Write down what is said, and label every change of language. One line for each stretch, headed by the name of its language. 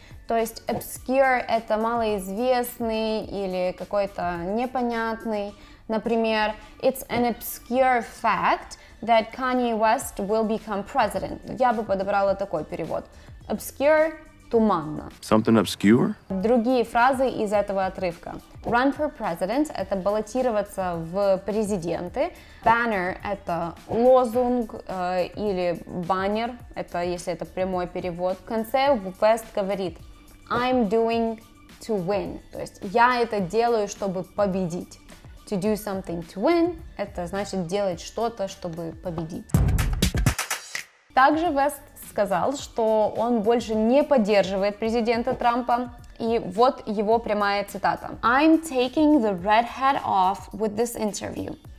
Russian: То есть obscure — это малоизвестный или какой-то непонятный. Например,
English: it's an obscure fact that Kanye West will become president.
Russian: Я бы подобрала такой перевод. Obscure — туманно.
English: Something obscure?
Russian: Другие фразы из этого отрывка.
English: Run for president
Russian: — это баллотироваться в президенты. Banner — это лозунг или баннер, это если это прямой перевод. В конце West говорит
English: I'm doing to win.
Russian: То есть я это делаю, чтобы победить.
English: To do something to win
Russian: — это значит делать что-то, чтобы победить. Также West сказал, что он больше не поддерживает президента Трампа. И вот его прямая цитата.
English: I'm taking the red hat off with this interview.